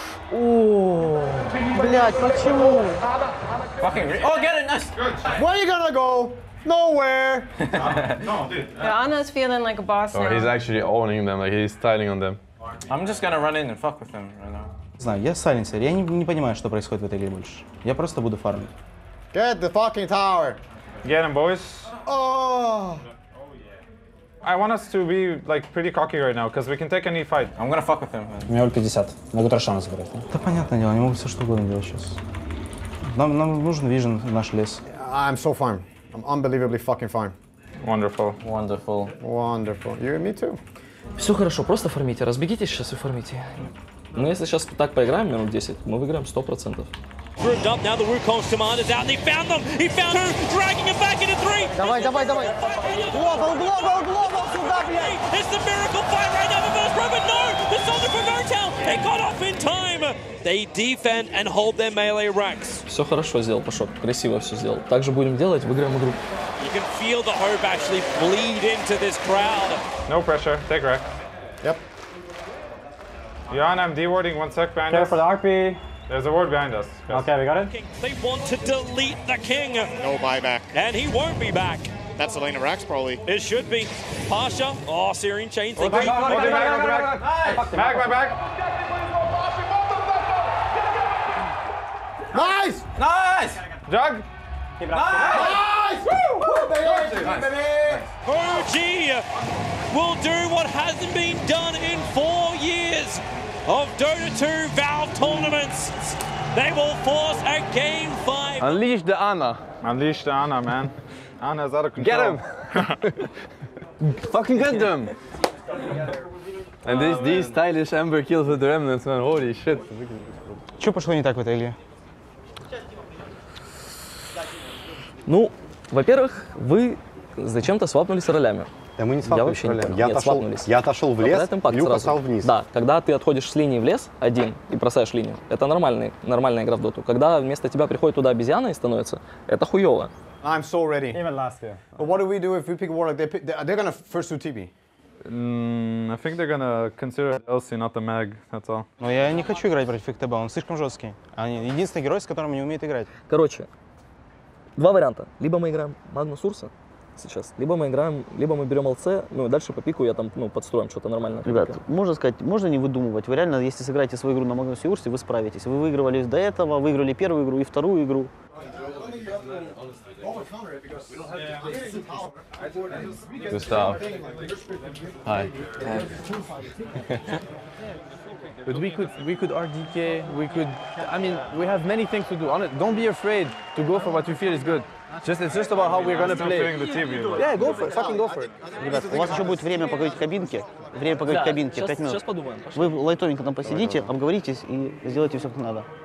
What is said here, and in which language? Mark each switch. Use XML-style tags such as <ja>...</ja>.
<ru>Блядь, почему?</ru> <en>Fucking real. Oh, get it, nice. Where are you gonna go? Nowhere. No, dude. Anna's feeling like a boss now. He's actually owning them. Like, he's tiling on them. I'm just gonna run in and fuck with him right now.</en> <ru>Знаю, я сайленсер. Я не понимаю, что происходит в этой игре больше. Я просто буду фармить.</ru> <en>Get the fucking tower! Get him, boys. Oh! Oh yeah. I want us to be like pretty cocky right now, because we can take any fight. I'm gonna fuck with him.</en> <ru>У меня ульт 50. Могу Трошана забрать. Да понятное дело, они могут все что угодно делать сейчас. Нам нужен вижен в наш лес.</ru> <en>I'm so fine. I'm unbelievably fucking fine. Wonderful. You and me too.</en> <ru>Все хорошо, просто фармите. Разбегитесь сейчас и фармите. Ну если сейчас так поиграем минут 10, мы выиграем 100%.</ru> <en>grouped up. Now the Wukong's command is out. And he found them. He found two, dragging him back into three.</en> <ru>Давай, давай, давай.</ru> <en>Global, global, global,</en> <ru>Sudapia.</ru> <en>It's the miracle fight right now for first row, but no, the soldier from Vertel. They got off in time. They defend and hold their melee ranks.</en> <ru>Все хорошо сделал, Пашок. Красиво все сделал. Так же будем делать, выиграем игру.</ru> <en>You can feel the hope actually bleed into this crowd. No pressure. Take rec. Yep. Yuan, I'm dewarding. One sec, behind Care us. Careful, RP. There's a ward behind us. Yes. Okay, we got it. They want to delete the king. No buyback. And he won't be back. That's Elena Rax, probably. It should be. Pasha. Oh, Syrian chains. Oh, they got it. Mag, Mag, Mag, Mag, Mag. Nice! Nice! Jug. Nice! Nice! Woo! OG will do what hasn't been done in 4 years of Dota 2 Valve tournaments. They will force a game five. Unleash the Ana. Unleash the Ana, man. Ana's out of control. Get him! Fucking get them! And these stylish Ember kills with the Remnants, man. Holy shit.</en> <ru>Что пошло не так в этой игре? Ну, во-первых, вы зачем-то свапнулись ролями. Да мы не свапнулись ролями. Я нет, свапнулись. Я отошел в лес, Люк отошел вниз. Да, когда ты отходишь с линии в лес один и бросаешь линию, это нормальная игра в доту. Когда вместо тебя приходит туда обезьяна и становится, это хуёво.</ru> <en>I'm so ready. Even last year. But what do we do if we pick Warlock? They're gonna first do TB. I think they're gonna consider LC not the mag, that's all.</en> <ru>Но я не хочу играть против ФТБ, он слишком жесткий. Они единственный герой, с которым не умеет играть. Короче. Два варианта. Либо мы играем Магнус Урса сейчас, либо мы берем ЛЦ, ну и дальше по пику я там, ну, подстроим что-то нормальное. Ребят, можно сказать, можно не выдумывать. Вы реально, если сыграете свою игру на Магнусе Урсе, вы справитесь. Вы выигрывали до этого, выиграли первую игру и вторую игру.</ru> <en>Густав. Hi. But we could RDK, we could, I mean, we have many things to do. Don't be afraid to go for what you feel is good. Just, it's just about how we're gonna play. Yeah, go for it, fucking go for it.</en> <ru>Ребят, у вас еще будет время поговорить в кабинке. Время поговорить в кабинке, 5 минут. Сейчас подумаем, пошли. Вы лайтовенько там посидите, обговоритесь и сделайте все, как надо.</ru>